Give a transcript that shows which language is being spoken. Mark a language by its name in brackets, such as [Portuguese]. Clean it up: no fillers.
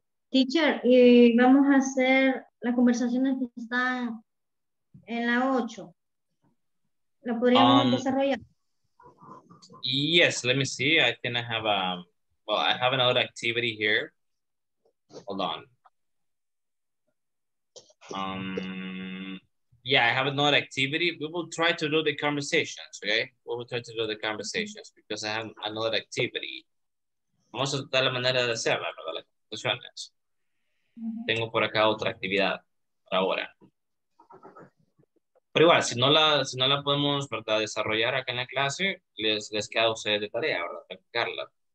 [Spanish] Teacher, y vamos a hacer las conversaciones que están en la 8. ¿La podríamos desarrollar? [English] Yes, let me see. I think I have I have another activity here. Hold on. Yeah, I have another activity. We will try to do the conversations, okay? We will try to do the conversations because I have another activity. [Spanish] Vamos a tratar la manera de hacer, ¿verdad? Las conversaciones. Tengo por acá otra actividad para ahora. Pero igual, si no la podemos, ¿verdad?, desarrollar acá en la clase, les queda a ustedes de tarea, ¿verdad?, practicarla.